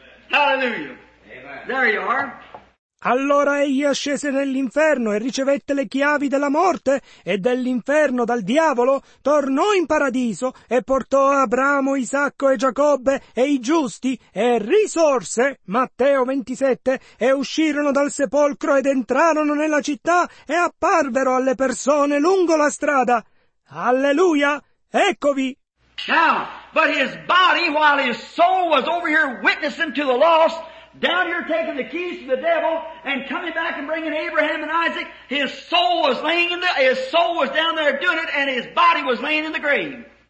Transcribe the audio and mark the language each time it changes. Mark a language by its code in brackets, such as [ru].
[en] Hallelujah. Amen. There you are. [it] Allora egli ascese nell'inferno e ricevette le chiavi della morte e dell'inferno dal diavolo, tornò in paradiso e portò Abramo, Isacco e Giacobbe e i giusti e risorse, Matteo 27, e uscirono dal sepolcro ed entrarono nella città e apparvero alle persone lungo la strada. Alleluia! Eccovi! [en] Now, but his body, while his soul was over here witnessing to the lost, down here taking the keys to the devil and coming back and bringing Abraham and Isaac, his soul was down there doing it and his body was laying in the grave.